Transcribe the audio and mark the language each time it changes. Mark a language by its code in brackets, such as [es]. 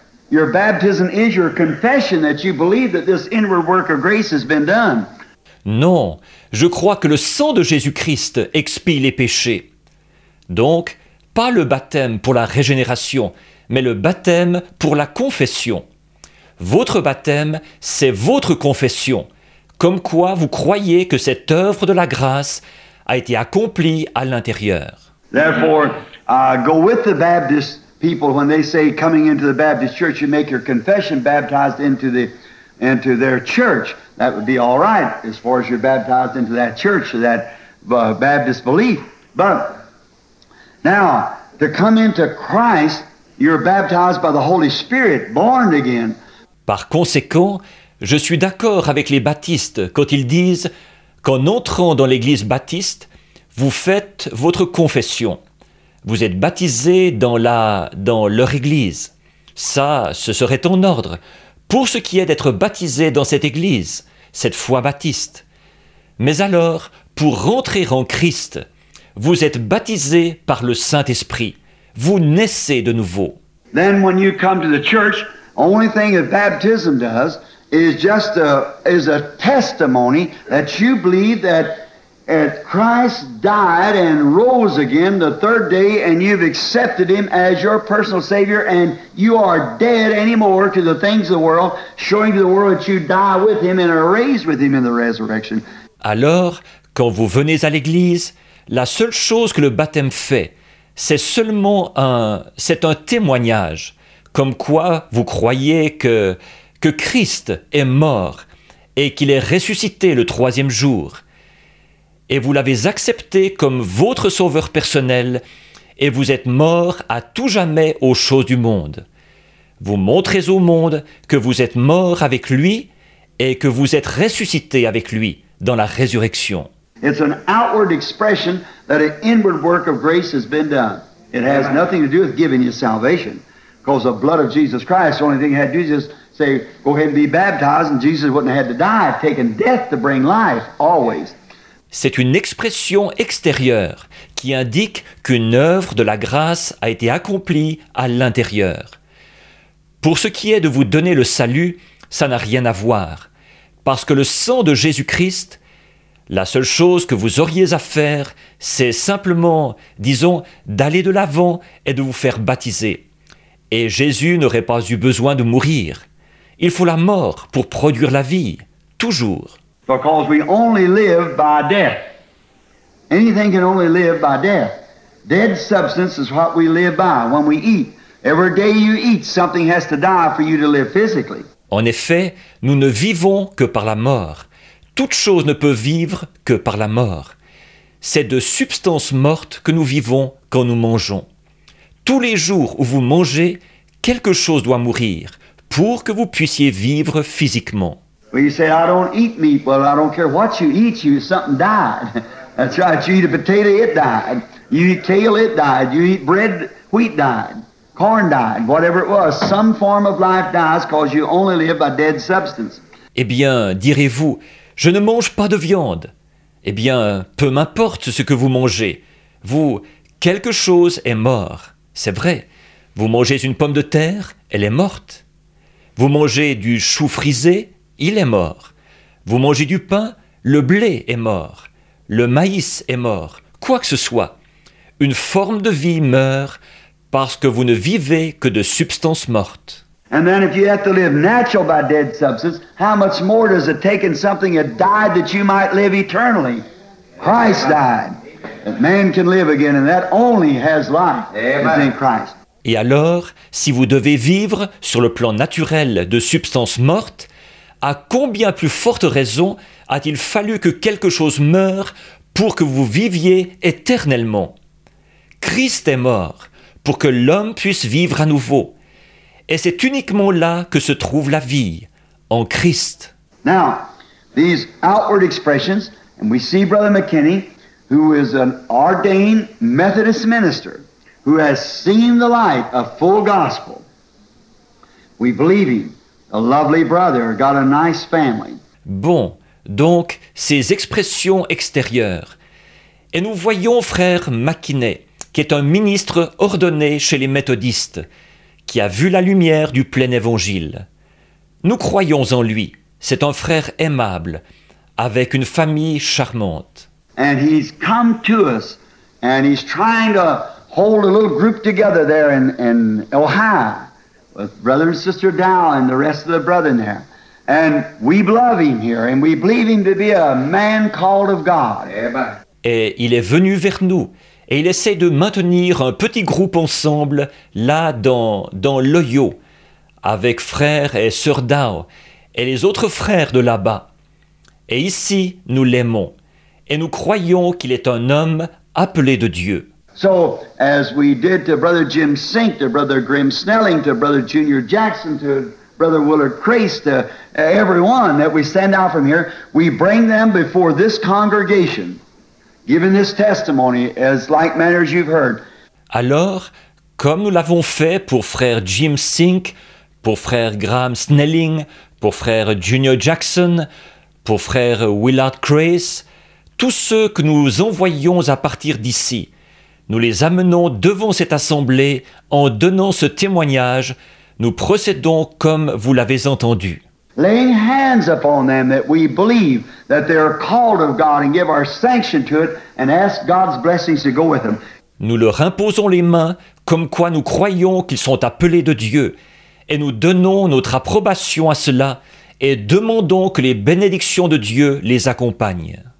[en] Your baptism is your confession that you believe that this inward work of grace has been done. [fr] Non, je crois que le sang de Jésus-Christ expie les péchés. Donc, pas le baptême pour la régénération, mais le baptême pour la confession. Votre baptême, c'est votre confession, comme quoi vous croyez que cette œuvre de la grâce a été accompli à l'intérieur. [en] Therefore, I go with the Baptist people when they say coming into the Baptist church you make your confession baptized into their church. That would be all right as far as you're baptized into that church, that Baptist belief. But now, to come into Christ, you're baptized by the Holy Spirit, born again. [fr] Par conséquent, je suis d'accord avec les baptistes quand ils disent qu'en entrant dans l'église baptiste, vous faites votre confession. Vous êtes baptisé dans leur église. Ça, ce serait en ordre. Pour ce qui est d'être baptisé dans cette église, cette foi baptiste. Mais alors, pour rentrer en Christ, vous êtes baptisé par le Saint-Esprit. Vous naissez de nouveau. [en] Then when you come to the church, only thing that baptism does is just a testimony that you believe that Christ died and rose again the third day and you've accepted him as your personal savior and you are dead anymore to the things of the world, showing to the world that you die with him and are raised with him in the resurrection. [fr] Alors, quand vous venez à l'église, la seule chose que le baptême fait, c'est seulement un témoignage, comme quoi vous croyez que Christ est mort et qu'il est ressuscité le troisième jour. Et vous l'avez accepté comme votre sauveur personnel et vous êtes mort à tout jamais aux choses du monde. Vous montrez au monde que vous êtes mort avec lui et que vous êtes ressuscité avec lui dans la résurrection. [en] It's an outward expression that an inward work of grace has been done. It has nothing to do with giving you salvation. Because the blood of Jesus Christ, the only thing he had to do is just say, go ahead and be baptized, and Jesus wouldn't have had to die. I've taken death to bring life, always. [fr] C'est une expression extérieure qui indique qu'une œuvre de la grâce a été accomplie à l'intérieur. Pour ce qui est de vous donner le salut, ça n'a rien à voir. Parce que le sang de Jésus-Christ, la seule chose que vous auriez à faire, c'est simplement, disons, d'aller de l'avant et de vous faire baptiser. Et Jésus n'aurait pas eu besoin de mourir. Il faut la mort pour produire la vie, toujours. [en] Because we only live by death. Anything can only live by death. Dead substance is what we live by when we eat. Every day you eat, something has to die for you to live physically. [fr] En effet, nous ne vivons que par la mort. Toute chose ne peut vivre que par la mort. C'est de substances mortes que nous vivons quand nous mangeons. Tous les jours où vous mangez, quelque chose doit mourir pour que vous puissiez vivre physiquement. [en] Well, you say, I don't eat meat. Well, I don't care what you eat, you something died. That's right, you eat a potato, it died. You eat kale, it died. You eat bread, wheat died. Corn died, whatever it was. Some form of life dies because you only live by dead substance. [fr] Eh bien, direz-vous, je ne mange pas de viande. Eh bien, peu m'importe ce que vous mangez. Vous, quelque chose est mort. C'est vrai. Vous mangez une pomme de terre, elle est morte. Vous mangez du chou frisé, il est mort. Vous mangez du pain, le blé est mort. Le maïs est mort. Quoi que ce soit. Une forme de vie meurt parce que vous ne vivez que de substances mortes. [en] And then if you have to live natural by dead substance, how much more does it take in something that died that you might live eternally? Christ died. That man can live again, and that only has life is in Christ. [fr] Et alors, si vous devez vivre sur le plan naturel de substances mortes, à combien plus forte raison a-t-il fallu que quelque chose meure pour que vous viviez éternellement? Christ est mort pour que l'homme puisse vivre à nouveau. Et c'est uniquement là que se trouve la vie, en Christ. [en] Now, these outward expressions, and we see Brother McKinney, who is an ordained Methodist minister, who has seen the light of full gospel. We believe him. A lovely brother, got a nice family. [fr] Bon, donc, ces expressions extérieures. Et nous voyons frère McKinney, qui est un ministre ordonné chez les méthodistes, qui a vu la lumière du plein évangile. Nous croyons en lui. C'est un frère aimable, avec une famille charmante. [en] And he's come to us, and he's trying to hold a little group together there in Ohio. With brother and sister Dow and the rest of the brethren there. And we love him here, and we believe him to be a man called of God. [fr] Et il est venu vers nous, et il essaie de maintenir un petit groupe ensemble, là dans l'Ohio, avec frère et sœur Dow, et les autres frères de là-bas. Et ici, nous l'aimons, et nous croyons qu'il est un homme appelé de Dieu. [en] So, as we did to Brother Jim Sink, to Brother Grim Snelling, to Brother Junior Jackson, to Brother Willard Crace, to everyone that we send out from here, we bring them before this congregation, giving this testimony as like manner as you've heard. [fr] Alors, comme nous l'avons fait pour Frère Jim Sink, pour Frère Graham Snelling, pour Frère Junior Jackson, pour Frère Willard Crace, tous ceux que nous envoyons à partir d'ici, nous les amenons devant cette assemblée en donnant ce témoignage. Nous procédons comme vous l'avez entendu. [en] Laying hands upon them that we believe that they are called of God and give our sanction to it and ask God's blessings to go with them. [fr] Nous leur imposons les mains comme quoi nous croyons qu'ils sont appelés de Dieu et nous donnons notre approbation à cela et demandons que les bénédictions de Dieu les accompagnent.